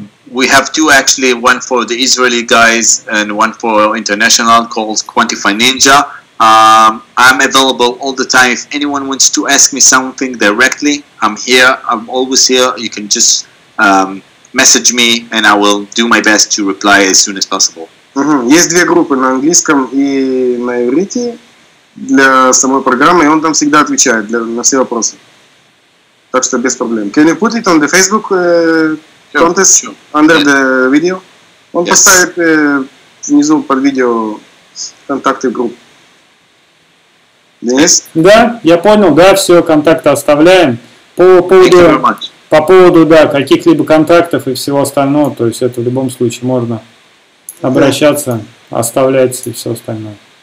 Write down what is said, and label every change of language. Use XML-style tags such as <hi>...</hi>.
<en>We have two actually, one for the Israeli guys and one for international called Quantify Ninja. I'm available all the time. If anyone wants to ask me something directly, I'm here. I'm always here. You can just message me and I will do my best to reply as soon as possible. Mm-hmm.</en> <ru>Есть две группы на английском и на иврите для самой программы, и он там всегда отвечает для, на все вопросы. Так что без проблем.</ru> <en>Can you put it on the Facebook contest under the video?</en> <ru>Он поставит внизу под видео контакты групп. Денис? Да, я понял, да, все, контакты оставляем. По поводу, да, каких-либо контактов и всего остального, то есть это в любом случае можно обращаться, оставлять и все остальное.</ru>